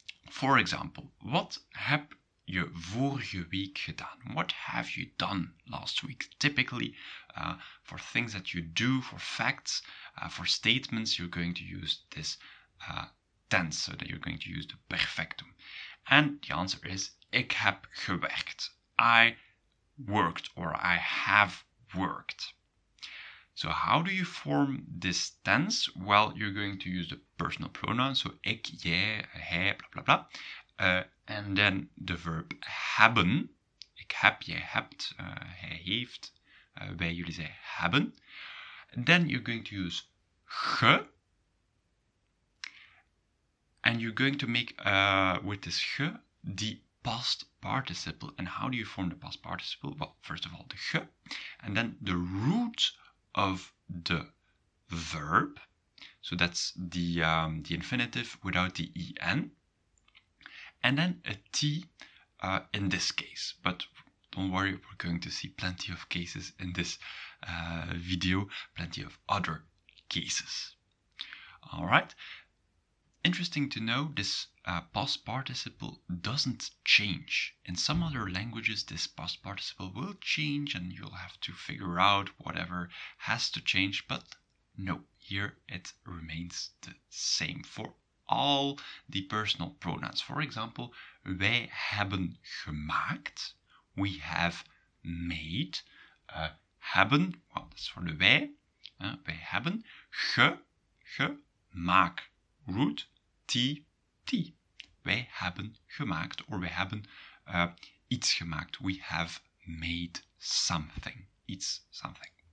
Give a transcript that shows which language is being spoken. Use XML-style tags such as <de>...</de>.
<en>For example, what happened?</en> <nl>Je vorige week gedaan.</nl> <en>What have you done last week? Typically, for things that you do, for facts, for statements, you're going to use this tense, so that you're going to use the perfectum. And the answer is,</en> <nl>ik heb gewerkt.</nl> <en>I worked, or I have worked. So how do you form this tense? Well, you're going to use the personal pronoun, so</en> <nl>ik, jij, hij,</nl> <en>blah, blah, blah. And then the verb</en> <nl>hebben, ik heb, jij hebt, hij heeft, wij, jullie zijn, hebben.</nl> <en>And then you're going to use ge, and you're going to make with this ge the past participle. And how do you form the past participle? Well, first of all, the ge, and then the root of the verb. So that's the infinitive without the en. And then a T in this case. But don't worry, we're going to see plenty of cases in this video, plenty of other cases. All right. Interesting to know, this past participle doesn't change. In some other languages, this past participle will change and you'll have to figure out whatever has to change. But no, here it remains the same for all the personal pronouns. For example,</en> <nl>wij hebben gemaakt,</nl> <en>we have made, hebben, well, that's for the wij, wij hebben, gemaakt, root, t, wij hebben gemaakt, or</en> <nl>wij hebben iets gemaakt,</nl> <en>we have made something, iets, something.</en>